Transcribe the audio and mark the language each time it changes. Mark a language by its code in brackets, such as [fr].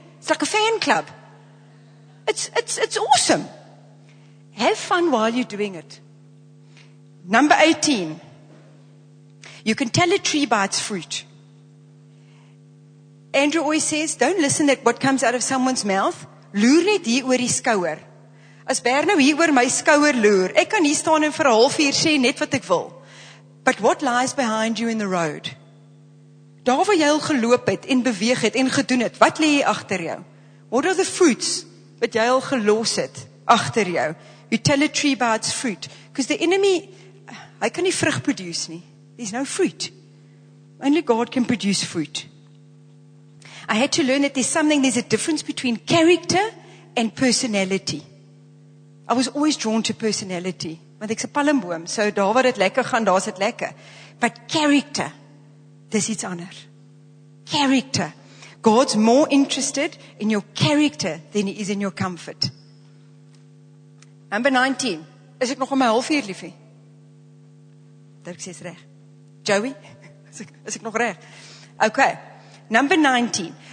[en] It's like a fan club. It's awesome. Have fun while you're doing it. Number 18. You can tell a tree by its fruit. Andrew always says, don't listen to what comes out of someone's mouth. [af] Loer net hier oor die skouer. As Bernard nou hier oor my skouer loer, ek kan hier staan en vir 1/2 uur sê net wat ek wil. [en] But what lies behind you in the road? [af] Daar waar jy al geloop het en beweeg het en gedoen het, wat lê agter jou? [en] What are the fruits [af] wat jy al gelos het agter jou? [en] You tell a tree by its fruit. Because the enemy, [af] hy kan nie vrug produce nie. [en] There's no fruit. Only God can produce fruit. I had to learn that there's a difference between character and personality. I was always drawn to personality. [af] Want ek's 'n palmboom, so daar waar dit lekker gaan, daar's dit lekker. [en] But character, [af] dis iets anders. [en] Character. God's more interested in your character than he is in your comfort. Number 19. [af] Is ek nog om 1/2 uur, liefie? Dirk sê's reg. Joey, is ek nog reg? [en] Okay. Number 19.